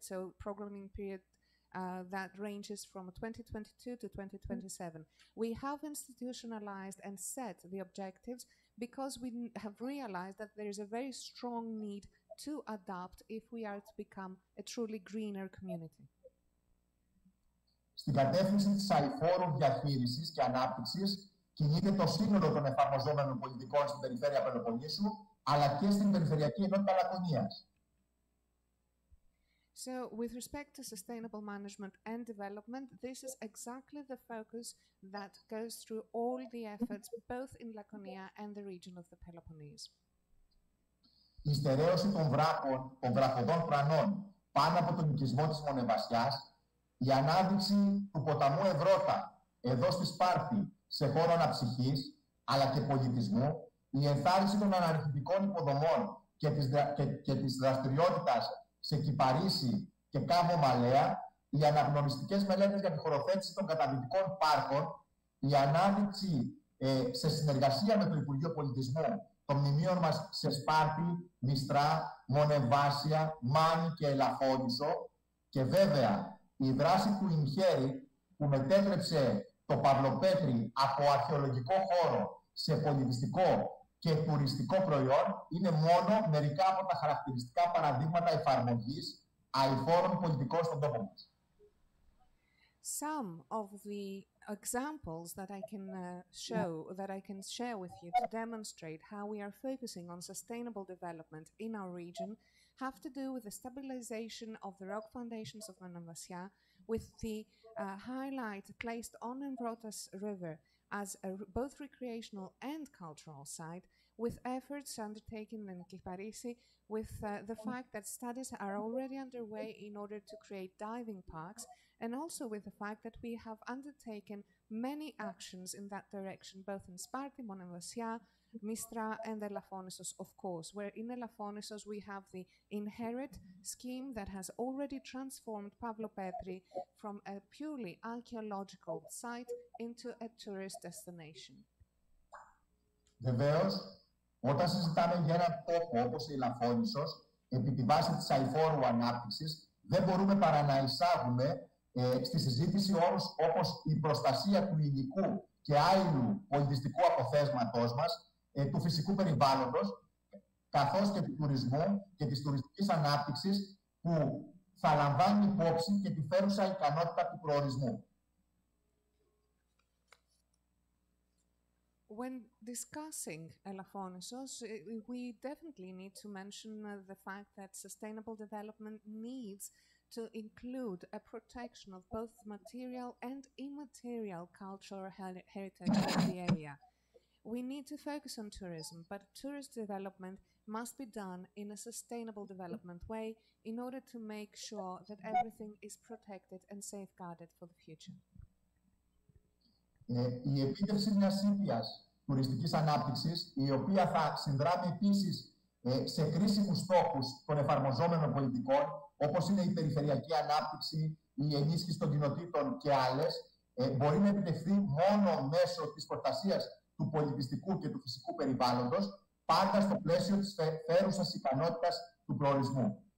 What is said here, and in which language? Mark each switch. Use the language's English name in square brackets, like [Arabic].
[English] So, programming period that ranges from 2022 to 2027. We have institutionalized and set the objectives because we have realized that there is a very strong need to adapt if we are to become a truly greener community. [Greek] Στην κατεύθυνση της αηφόρου διαχείρισης και ανάπτυξης κινείται το σύνολο των εφαρμοζόμενων πολιτικών στην περιφέρεια Πελοποννήσου, αλλά και στην περιφερειακή ενότητα Λακωνίας. [English] So, with respect to sustainable management and development, this is exactly the focus that goes through all the efforts both in Laconia and the region of the Peloponnese. [Greek] Η στερέωση των βραχωδών πρανών πάνω από τον οικισμό της Μονεβασιάς, η ανάδειξη του ποταμού Ευρώτα εδώ στη Σπάρτη σε χώρο αναψυχής αλλά και πολιτισμού, η ενθάρρυνση των αναρχητικών υποδομών και της δραστηριότητας σε Κυπαρίσι και Κάβο Μαλέα, οι αναγνωριστικές μελέτες για τη χωροθέτηση των καταδυτικών πάρκων, η ανάδειξη σε συνεργασία με το Υπουργείο Πολιτισμού των μνημείων μας σε Σπάρτη, Μιστρά, Μονεβάσια, Μάνη και Ελαφόνισο και βέβαια η δράση του Ινχέρι που μετέτρεψε το Παυλοπέτρι από αρχαιολογικό χώρο σε πολιτιστικό και τουριστικό προϊόν είναι μόνο μερικά από τα χαρακτηριστικά παραδείγματα εφαρμογής αηφόρων πολιτικών στον τόπο μας. [English] Some of the examples that I can show, that I can share with you to demonstrate how we are focusing on sustainable development in our region have to do with the stabilization of the rock foundations of Monavasia, with the highlight placed on Envrotas River as a both recreational and cultural site, with efforts undertaken in Kiparisi, with the fact that studies are already underway in order to create diving parks, and also with the fact that we have undertaken many actions in that direction, both in Sparti, Monavasia, Mistra and Elafonisos, of course, where in Elafonisos we have the Inherit scheme that has already transformed Pavlopetri from a purely archaeological site into a tourist destination. [Greek] Βεβαίως, όταν συζητάμε για ένα τόπο όπως η Ελαφόνησος, επί τη βάση της αηφόρου ανάπτυξης, δεν μπορούμε παρά να εισάγουμε στη συζήτηση όρους όπως η προστασία του υλικού και άλλου πολιτιστικού αποθέσματός μας, του φυσικού περιβάλλοντος, καθώς και του τουρισμού και της τουριστικής ανάπτυξης που θα λαμβάνει υπόψη και τη φέρουσα ικανότητα του προορισμού. [English] When discussing Elafonisos, we definitely need to mention the fact that sustainable development needs to include a protection of both material and immaterial cultural heritage of the area. We need to focus on tourism, but tourist development must be done in a sustainable development way in order to make sure that everything is protected and safeguarded for the future. [Greek] Η επίτευξη μιας ήπιας τουριστικής ανάπτυξης, η οποία θα συνδράμει επίσης σε κρίσιμους στόχους των εφαρμοζόμενων πολιτικών, όπως είναι η περιφερειακή ανάπτυξη, η ενίσχυση των κοινοτήτων και άλλες, μπορεί να επιτευχθεί μόνο μέσω της προστασίας του πολιτιστικού και του φυσικού περιβάλλοντος, πάντα στο πλαίσιο της φέρουσας ικανότητας του προορισμού.